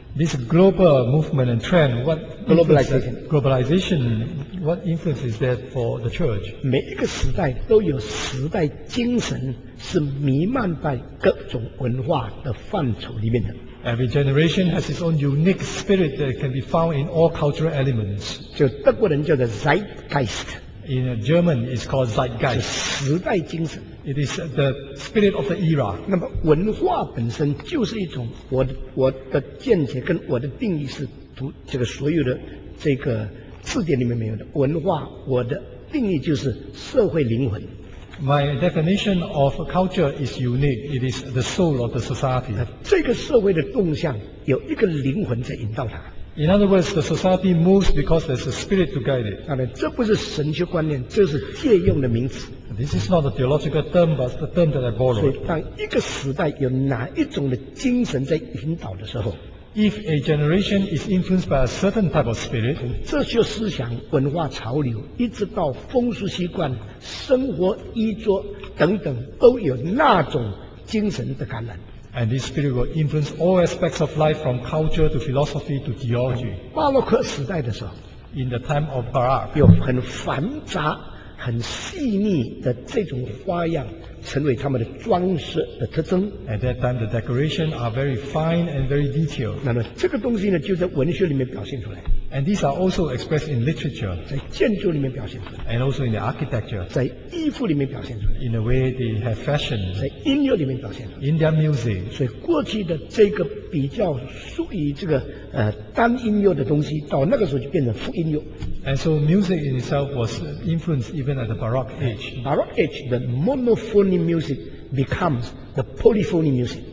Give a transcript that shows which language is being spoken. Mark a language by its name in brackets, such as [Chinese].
[English] This global movement and trend, what globalization? Globalization, what influence is that for the church? [Chinese] 每一个时代都有时代精神是弥漫在各种文化的范畴里面的。 [English] Every generation has its own unique spirit that can be found in all cultural elements. [Chinese] 就德国人叫做 Zeitgeist. [English] In German, it's called Zeitgeist. [Chinese] 时代精神。 [English] It is the spirit of the era. [Chinese] 那么文化本身就是一种我的见解跟我的定义是读这个所有的这个字典里面没有的文化，我的定义就是社会灵魂。 [English] My definition of culture is unique. It is the soul of the society. [Chinese] 这个社会的动向有一个灵魂在引导它。 [English] In other words, the society moves because there's a spirit to guide it. [Chinese] 这不是神学观念，这是借用的名词。 [English] This is not a theological term, but the term that I borrowed. [Chinese] 所以当一个时代有哪一种的精神在引导的时候， [English] If a generation is influenced by a certain type of spirit, [Chinese] 这些思想、文化潮流，一直到风俗习惯、生活衣着等等，都有那种精神的感染。 [English] And this spirit will influence all aspects of life from culture to philosophy to theology. [Chinese] 巴洛克时代的时候， [English] in the time of Barak, [Chinese] 有很繁杂很细腻的这种花样成为他们的装饰的特征。 [English] At that time, the decorations are very fine and very detailed. [Chinese] 那么这个东西呢，就在文学里面表现出来。 [English] And these are also expressed in literature. [Chinese] 在建筑里面表现出来。 [English] And also in the architecture. [Chinese] 在衣服里面表现出来。 [English] In a way they have fashion. [Chinese] 在音乐里面表现出来。 [English] In their music. [Chinese] 所以过去的这个比较属于这个单音乐的东西，到那个时候就变成复音乐。 [English] And so music in itself was influenced even at the Baroque age. Baroque age, the monophony music becomes the polyphony music.